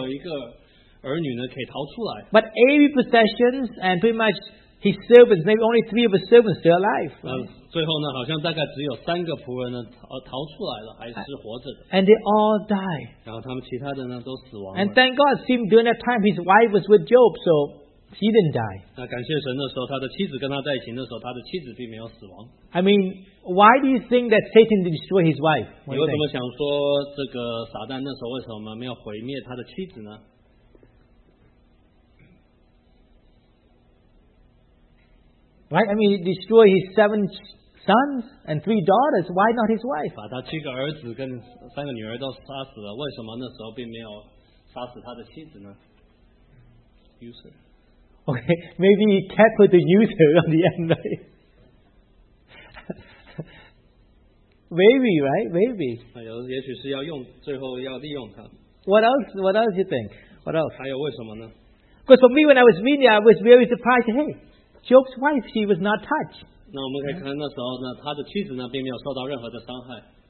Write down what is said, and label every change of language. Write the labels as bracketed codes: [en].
[zh] 那有的时候想说，就算这样事情发生呢，应该也有一个儿女呢可以逃出来。 [en] But every possessions and pretty much his servants, maybe only three of his servants still alive. [zh] 最后呢，好像大概只有三个仆人呢逃出来了，还是活着的。 [en] And they all die. [zh] 然后他们其他的呢都死亡了。 [en] And thank God, seemed during that time his wife was with Job, so she didn't die. [zh] 那感谢神的时候，他的妻子跟他在一起的时候，他的妻子并没有死亡。 [en] I mean, why do you think that Satan destroyed his wife? [zh] 你为什么想说这个撒旦那时候为什么没有毁灭他的妻子呢？ [en] Right? I mean, destroy his seven sons and three daughters. Why not his wife? [zh] 把他七个儿子跟三个女儿都杀死了，为什么那时候并没有杀死他的妻子呢？ [en] User. Okay, maybe he kept her to use her on the end, right? Wavy, right? Wavy. [zh] 也许是要用最后要利用它。 [en] What else do you think? What else? [zh] 还有为什么呢? [en] Because for me, when I was media, I was very surprised. Hey, Job's wife, she was not touched. [zh] 那我们可以看那时候呢，他的妻子呢，并没有受到任何的伤害。